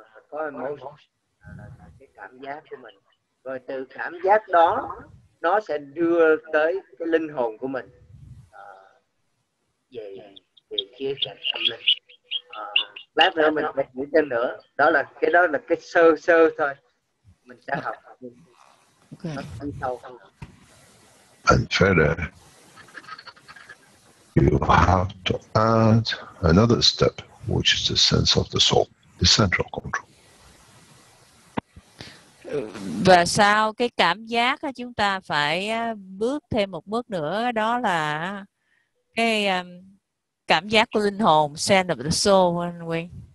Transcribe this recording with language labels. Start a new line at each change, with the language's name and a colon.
Vietnamese: có emotion, cái cảm giác của mình, rồi từ cảm giác đó nó sẽ đưa tới cái linh hồn của mình về khía cạnh tâm linh. Lát nữa mình phải nghĩ thêm nữa, đó là cái sơ thôi, mình sẽ học thêm sâu hơn.
English: And further, you have to add another step, which is the sense of the soul, the central control.
Vietnamese: Và sau cái cảm giác chúng ta phải bước thêm một bước nữa, đó là cái cảm giác của linh hồn,
English: center of the soul,
Vietnamese: anh Nguyên.